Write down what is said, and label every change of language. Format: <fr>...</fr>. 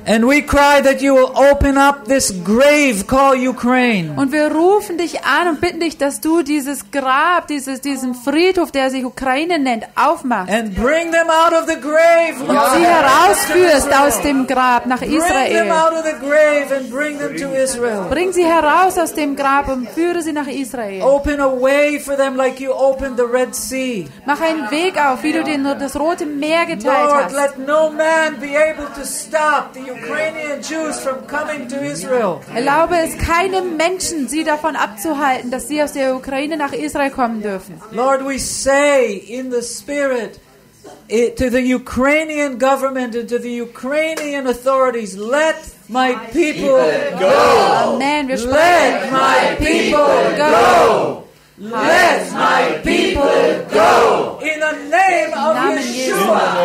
<en>And we cry that you will open up this grave called Ukraine.</en> <de>Und wir rufen dich an und bitten dich, dass du dieses Grab, diesen Friedhof, der sich Ukraine nennt, aufmachst.</de> <en>And bring them out of the grave.</en> <de>Und sie herausführst aus dem Grab nach Israel.</de> <en>Bring them out of the grave and bring them to Israel.</en> <de>Bring sie heraus aus dem Grab und führe sie nach Israel.</de> <en>Open a way for them like you opened the Red Sea.</en> <de>Mach einen Weg auf, wie du den das Rote Meer geteilt</de> <en>Lord,</en> <de>hast.</de> <en>Let no man be able to stop the Ukrainian Jews from coming to Israel.</en> <de>Erlaube es keinem Menschen, sie davon abzuhalten, dass sie aus der Ukraine nach Israel kommen dürfen.</de> <en>Lord, we say in the spirit to the Ukrainian government and to the Ukrainian authorities, let my people go. Amen.</en> <de>Wir sprechen.</de> <en>Let my people go. Let my people go in the name of Yeshua.</en>